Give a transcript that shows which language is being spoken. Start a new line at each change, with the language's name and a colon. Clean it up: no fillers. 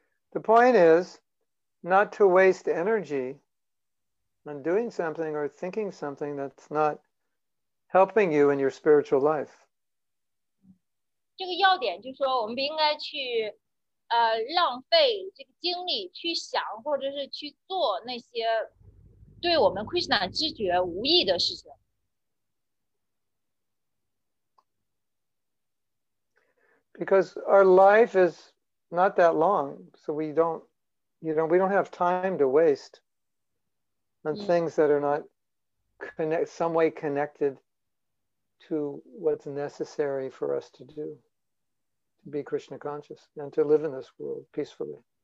English: The point is not to waste energy on doing something or thinking something that's not helping you in your spiritual life.
Chinese: 这个要点就是说我们不应该去浪费这个精力去想或者是去做那些
English: Because our life is not that long, so we don't have time to waste on things that are not connected to what's necessary for us to do, to be Krishna conscious and to live in this world peacefully.